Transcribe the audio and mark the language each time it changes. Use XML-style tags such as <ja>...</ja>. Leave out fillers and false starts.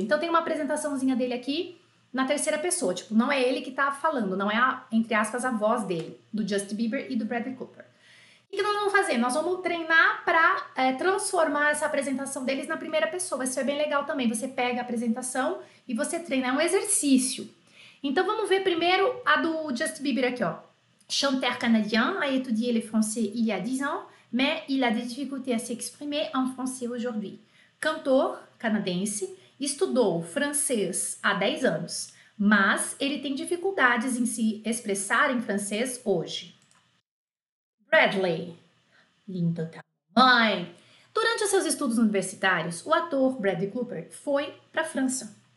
<pt>Então tem uma apresentaçãozinha dele aqui na terceira pessoa. Tipo, não é ele que tá falando, não é, entre aspas, a voz dele, do Justin Bieber e do Bradley Cooper. O que nós vamos fazer? Nós vamos treinar para transformar essa apresentação deles na primeira pessoa. Isso é bem legal também. Você pega a apresentação e você treina. É um exercício. Então, vamos ver primeiro a do Justin Bieber aqui, ó.</pt> <fr>Chanteur canadien a étudié le français il y a 10 ans, mais il a des difficultés à s'exprimer en français aujourd'hui.</fr> <pt>Cantor canadense estudou francês há 10 anos, mas ele tem dificuldades em se expressar em francês hoje. Bradley, lindo da mãe. Durante os seus estudos universitários, o ator Bradley Cooper foi para a França.</pt>